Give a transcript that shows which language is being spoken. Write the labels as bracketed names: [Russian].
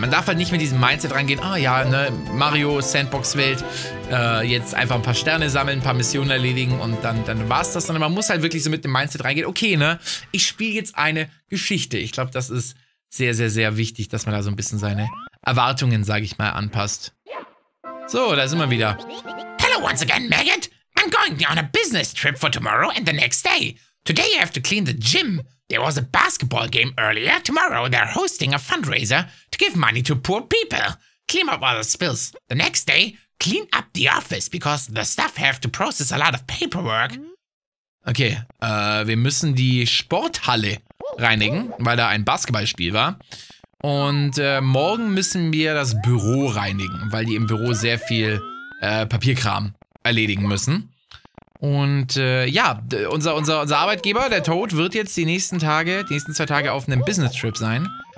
[German] Man darf halt nicht mit diesem Mindset rangehen, ah ja, ne, Mario, Sandbox-Welt, jetzt einfach ein paar Sterne sammeln, ein paar Missionen erledigen und dann war es das. Sondern man muss halt wirklich so mit dem Mindset reingehen, okay, ne, ich spiele jetzt eine Geschichte. Ich glaube, das ist sehr, sehr, sehr wichtig, dass man da so ein bisschen seine Erwartungen, sage ich mal, anpasst. So, da sind wir wieder. [English] Hello once again, Maggot. I'm going on a business trip for tomorrow and the next day. Today you have to clean the gym. There was a basketball game earlier. Tomorrow they're hosting a fundraiser to give money to poor people. Clean up all the spills. The next day, clean up the office because the staff have to process a lot of paperwork. [German] Okay, wir müssen die Sporthalle reinigen, weil da ein Basketballspiel war. Und morgen müssen wir das Büro reinigen, weil die im Büro sehr viel Papierkram erledigen müssen. Und ja, unser Arbeitgeber, der Toad, wird jetzt die nächsten 2 Tage auf einem Business-Trip sein.